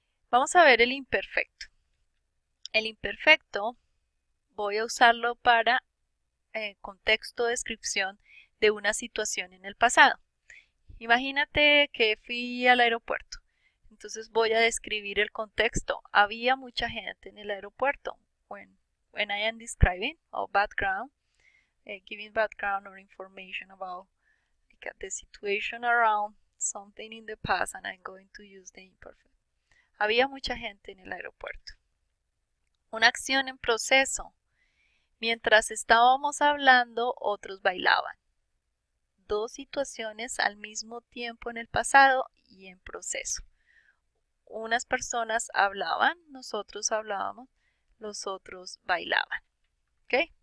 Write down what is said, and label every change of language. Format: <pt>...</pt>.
<es>Vamos a ver el imperfecto. El imperfecto voy a usarlo para contexto de descripción de una situación en el pasado. Imagínate que fui al aeropuerto. Entonces voy a describir el contexto. Había mucha gente en el aeropuerto.</es> <en>When I am describing or background, giving background or information about the situation around something in the past, and I'm going to use the imperfect.</en> <es>Había mucha gente en el aeropuerto. Una acción en proceso. Mientras estábamos hablando, otros bailaban. Dos situaciones al mismo tiempo en el pasado y en proceso. Unas personas hablaban, nosotros hablábamos, los otros bailaban. ¿Okay?</es>